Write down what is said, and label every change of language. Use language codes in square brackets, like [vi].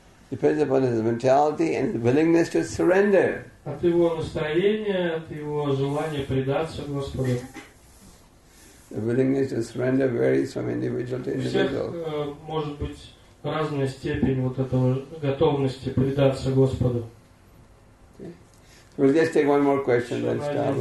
[en] Depends upon his mentality and his willingness to surrender. [ru] От его настроения, от его желания предаться Господу. [en] The willingness to surrender varies from individual to individual. [ru] Всех, может быть разная степень вот этого готовности предаться Господу. [en] Okay. We'll just take one more question, then stop.